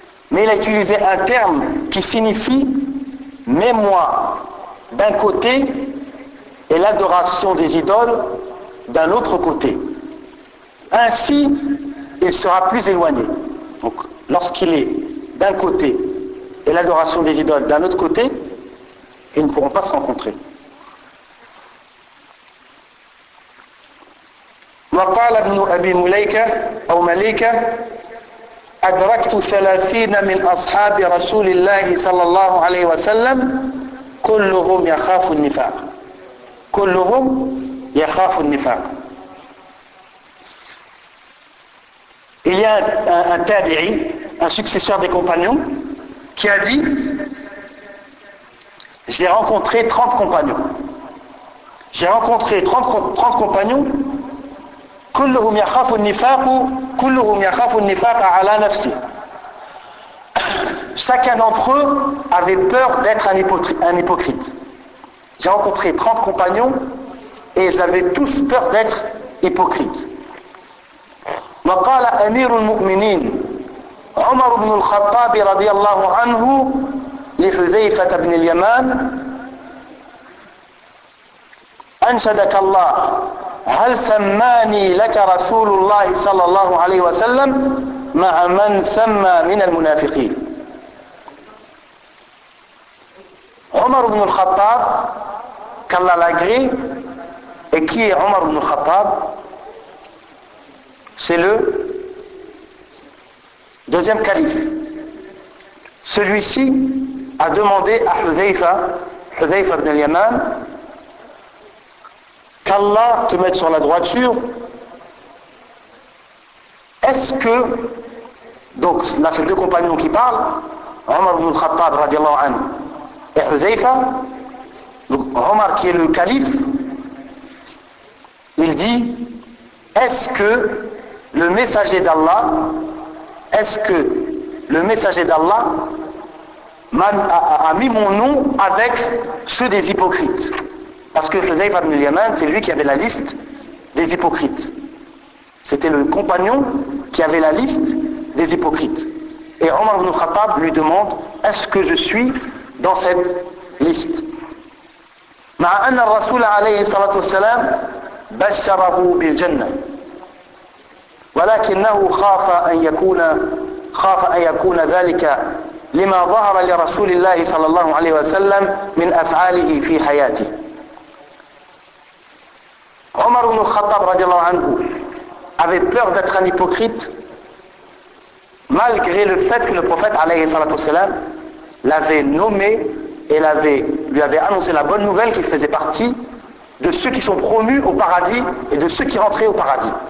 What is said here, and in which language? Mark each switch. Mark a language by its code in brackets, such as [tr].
[fr] Mais il a utilisé un terme qui signifie mets-moi d'un côté et l'adoration des idoles d'un autre côté. Ainsi, il sera plus éloigné. Donc, lorsqu'il est d'un côté et l'adoration des idoles d'un autre côté, ils ne pourront pas se rencontrer. [ar] وقال ابن أبي مليكة أو مليكة أدركت 30 من أصحاب رسول الله صلى الله عليه وسلم كلهم يخاف النفاق كلهم يخاف النفاق. [fr] Il y a un tabi'i, un successeur des compagnons, qui a dit: j'ai rencontré 30 compagnons. J'ai rencontré 30 compagnons. [ar] كلهم يخاف النفاق كلهم يخاف النفاق على نفسه. [fr] Chacun d'entre eux avait peur d'être un hypocrite. J'ai rencontré 30 compagnons et ils avaient tous peur d'être hypocrites. [ar] وقال أمير المؤمنين عمر بن الخطاب رضي الله عنه لحذيفة بن اليمان أنشدك الله هل سماني لك رسول الله صلى الله عليه وسلم مع من سمى من المنافقين. [fr] عمر بن الخطاب كلا لاغري اكي عمر بن الخطاب سي لو دوزيام كاليف. Celui-ci a demandé à Hudhayfa ibn al-Yaman qu'Allah te mette sur la droiture, est-ce que, donc là c'est deux compagnons qui parlent, Omar ibn al-Khattab radiallahu anhu et Huzaifa, donc Omar qui est le calife, il dit, est-ce que le messager d'Allah a mis mon nom avec ceux des hypocrites? Parce que Huzaifa ibn al-Yaman, c'est lui qui avait la liste des hypocrites. C'était le compagnon qui avait la liste des hypocrites. Et Omar ibn al-Khattab lui demande, est-ce que je suis dans cette liste? [ar] مع أن الرسول عليه الصلاة والسلام بشره بالجنة ولكنه خاف أن يكون ذلك لما ظهر لرسول الله صلى الله عليه وسلم من أفعاله في حياته. [fr] Omar ibn al-Khattab radiallahu anhu avait peur d'être un hypocrite malgré le fait que le prophète alayhi salatu wasalam l'avait nommé et lui avait annoncé la bonne nouvelle qu'il faisait partie de ceux qui sont promus au paradis et de ceux qui rentraient au paradis.